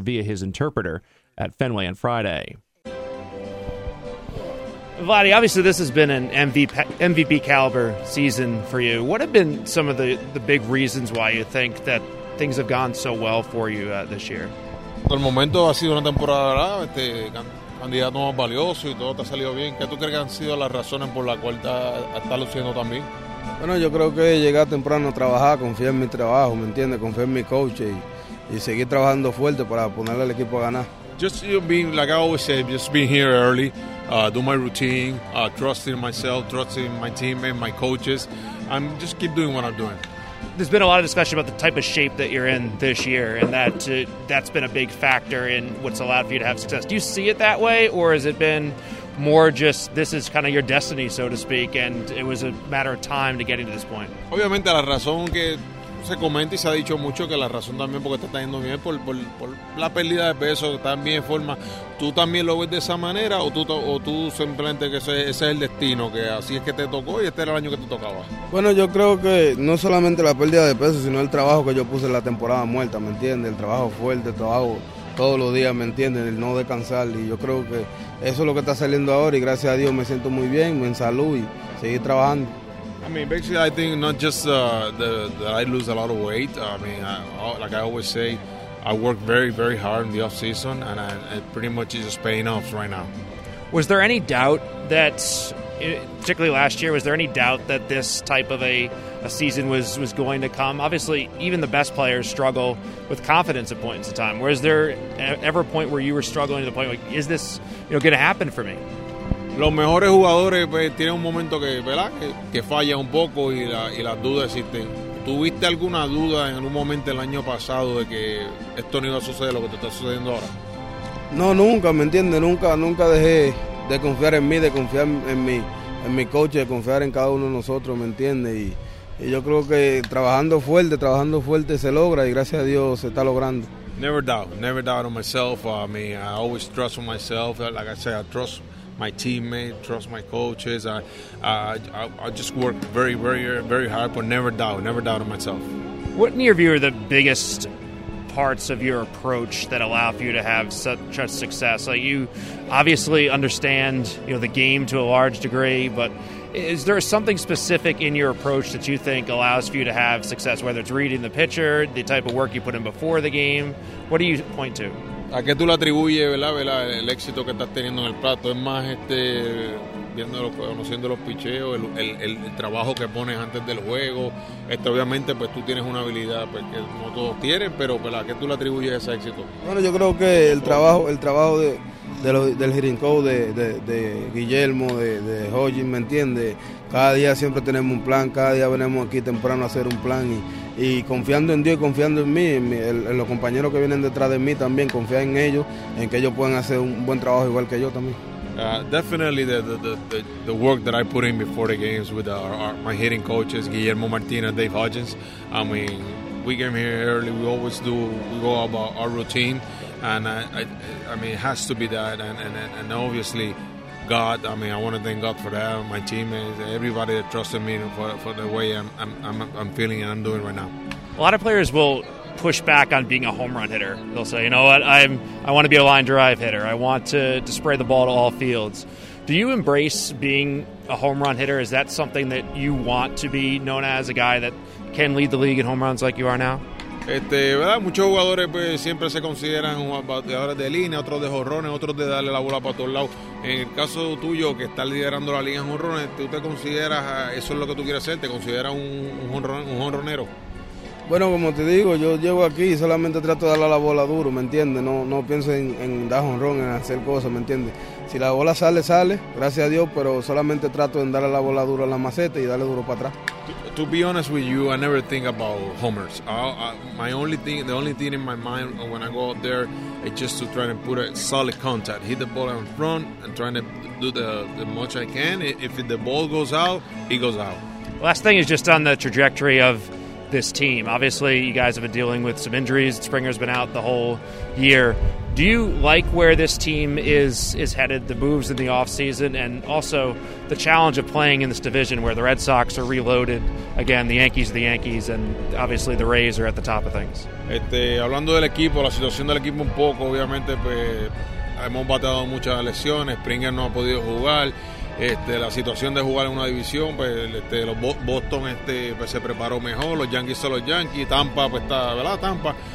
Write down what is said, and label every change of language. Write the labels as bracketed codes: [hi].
[en] via his interpreter at Fenway on Friday. Vladdy, obviously this has been an MVP caliber season for you. What have been some of the big reasons why you think that things have gone so well for you this year? [es] El momento ha sido una temporada, ¿verdad? Candidato más valioso y todo te ha salido bien. ¿Qué tú crees que han sido las razones por las cuales está luciendo tan bien? Bueno, yo creo que llegar temprano a trabajar, confiar en mi trabajo, ¿me entiendes? Confiar en mi coach y seguir trabajando fuerte para ponerle al equipo a ganar. [en] Just being, like I always say, just being here early, do my routine, trusting myself, trusting my team and my coaches, and just keep doing what I'm doing. There's been a lot of discussion about the type of shape that you're in this year, and that's been a big factor in what's allowed for you to have success. Do you see it that way, or has it been more just this is kind of your destiny, so to speak, and it was a matter of time to get into this point? [es] Obviamente la razón que se comenta y se ha dicho mucho que la razón también porque te está yendo bien por la pérdida de peso también forma. ¿Tú también lo ves de esa manera o tú simplemente que ese es el destino, que así es que te tocó y este era el año que te tocaba? Bueno, yo creo que no solamente la pérdida de peso, sino el trabajo que yo puse en la temporada muerta, ¿me entiendes? El trabajo fuerte, el trabajo todos los días, ¿me entiendes? El no descansar, y yo creo que eso es lo que está saliendo ahora y gracias a Dios me siento muy bien, en salud y seguir trabajando. [en] I mean, basically, I think not just that I lose a lot of weight. I mean, like I always say, I work very, very hard in the off season, and it pretty much is just paying off right now. Was there any doubt that, particularly last year, was there any doubt that this type of a season was going to come? Obviously, even the best players struggle with confidence at points in time. Was there ever a point where you were struggling to the point like, is this going to happen for me? [es] Los mejores jugadores pues, tienen un momento que, ¿verdad? Que falla un poco y las dudas existen. ¿Tuviste alguna duda en algún momento el año pasado de que esto no iba a suceder, lo que te está sucediendo ahora? No, nunca, ¿me entiendes? Nunca dejé de confiar en mí, de confiar en mi coach, de confiar en cada uno de nosotros, ¿me entiendes? Y yo creo que trabajando fuerte se logra y gracias a Dios se está logrando. [en] Never doubt on myself. I mean, I always trust on myself. Like I said, I trust my teammate, trust my coaches. I just work very, very, very hard, but never doubt on myself. What, in your view, are the biggest parts of your approach that allow for you to have such success? Like, you obviously understand the game to a large degree, but is there something specific in your approach that you think allows for you to have success, whether it's reading the pitcher, the type of work you put in before the game? What do you point to? [es] ¿A qué tú le atribuyes, verdad, el éxito que estás teniendo en el plato? ¿Es más conociendo los picheos, el trabajo que pones antes del juego? Obviamente, pues tú tienes una habilidad pues, que no todos tienen, pero ¿verdad? ¿A qué tú le atribuyes ese éxito? Bueno, yo creo que el trabajo del hitting coach, de Guillermo, de Hodgins, ¿me entiendes? Cada día siempre tenemos un plan, cada día venimos aquí temprano a hacer un plan y confiando en Dios y confiando en mí, en los compañeros que vienen detrás de mí también, confiar en ellos, en que ellos puedan hacer un buen trabajo igual que yo también. [en] Definitely the work that I put in before the games with my hitting coaches, Guillermo Martinez, Dave Hodgins. I mean, we came here early, we go about our routine, and I mean, it has to be that, and obviously God, I mean, I want to thank God for that, my teammates, everybody that trusted me for the way I'm feeling and I'm doing right now. A lot of players will push back on being a home run hitter. They'll say, you know what, I want to be a line drive hitter. I want to spray the ball to all fields. Do you embrace being a home run hitter? Is that something that you want to be known as, a guy that can lead the league in home runs like you are now? [es] ¿Verdad? Muchos jugadores pues siempre se consideran bateadores de línea, otros de jorrones, otros de darle la bola para todos lados. En el caso tuyo, que estás liderando la línea en jorrones, ¿tú te consideras, eso es lo que tú quieres ser, te consideras un jorronero? Bueno, como te digo, yo llego aquí y solamente trato de darle la bola duro, ¿me entiendes? No pienso en dar jonrón, en hacer cosas, ¿me entiendes? Si la bola sale, sale, gracias a Dios, pero solamente trato de darle la bola duro a la maceta y darle duro para atrás. [en] To be honest with you, I never think about homers. The only thing in my mind when I go out there is just to try to put a solid contact. Hit the ball in front and trying to do the much I can. If the ball goes out, it goes out. Last thing is just on the trajectory of this team. Obviously, you guys have been dealing with some injuries. Springer's been out the whole year. Do you like where this team is headed, the moves in the offseason, and also the challenge of playing in this division where the Red Sox are reloaded, again, the Yankees are the Yankees, and obviously the Rays are at the top of things? [es] Hablando del equipo, la situación del equipo un poco, obviamente, pues, hemos batado muchas lesiones, Springer no ha podido jugar. La situación de jugar en una división, pues los Boston pues, se preparó mejor, los Yankees son los Yankees, Tampa pues está, ¿verdad? Tampa.